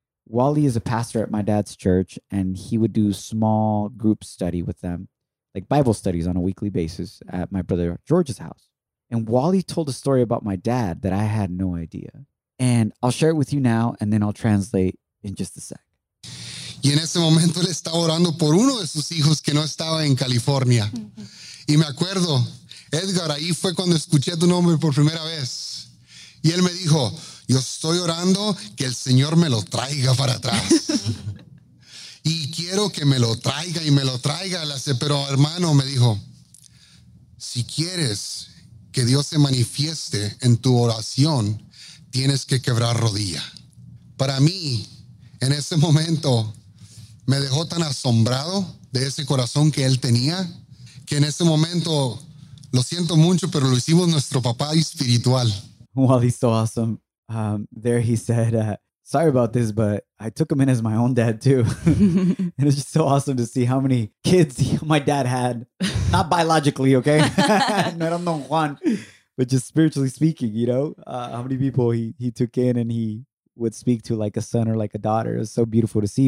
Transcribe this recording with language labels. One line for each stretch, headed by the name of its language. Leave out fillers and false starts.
English: Wally is a pastor at my dad's church, and he would do small group study with them, like Bible studies on a weekly basis at my brother George's house. And Wally told a story about my dad that I had no idea. And I'll share it with you now, and then I'll translate in just a sec.
Spanish: Y en ese momento él estaba orando por uno de sus hijos que no estaba en California. Mm-hmm. Y me acuerdo, Edgar, ahí fue cuando escuché tu nombre por primera vez. Y él me dijo, yo estoy orando que el Señor me lo traiga para atrás. Y quiero que me lo traiga y me lo traiga. Pero hermano, me dijo, si quieres que Dios se manifieste en tu oración, tienes que quebrar rodilla. Para mí, en ese momento... me dejó tan asombrado de ese corazón que él tenía que en ese momento, lo siento mucho, pero lo hicimos nuestro papá espiritual.
English: Wally, so awesome. There he said, sorry about this, but I took him in as my own dad too. And it's just so awesome to see how many kids my dad had. Not biologically, okay? No, I'm not Juan. But just spiritually speaking, you know? How many people he took in and he would speak to like a son or like a daughter. It was so beautiful to see.